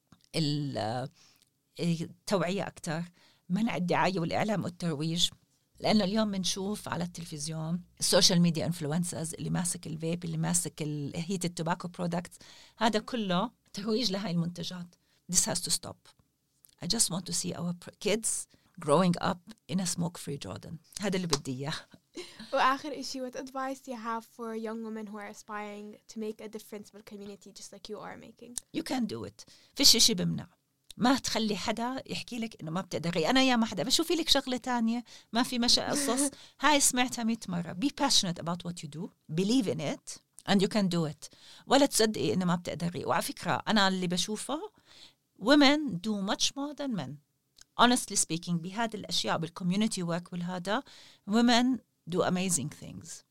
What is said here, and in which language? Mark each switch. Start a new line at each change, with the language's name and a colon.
Arabic: التوعية أكتر، منع الدعاية والإعلام والترويج، لأنه اليوم بنشوف على التلفزيون السوشيال ميديا انفلونسرز اللي ماسك الفيب، اللي ماسك الهيت التوباكو برودكت، هذا كله ترويج لهاي المنتجات.
English: This has to stop. I just want to see our kids growing up in a smoke-free Jordan.
Arabic: هذا اللي بدي إياه. وآخر إشي,
English: what advice do you have for young women who are aspiring to make a difference in the community just like you are making? You can do it.
Arabic: فيش إشي بمنع. ما تخلي حدا يحكي لك إنه ما بتقدري. أنا يا ما حدا بشوفي لك شغلة تانية ما في مشا قصص. هاي سمعتها 100 مرة.
English: Be passionate about what you do. Believe in it and you can do it.
Arabic: ولا تصدقي إنه ما بتقدري. وعلى فكرة أنا اللي بشوفه
English: women do much more than men. Honestly speaking,
Arabic: بهذه الأشياء
English: بالcommunity work والهذا, women do amazing things.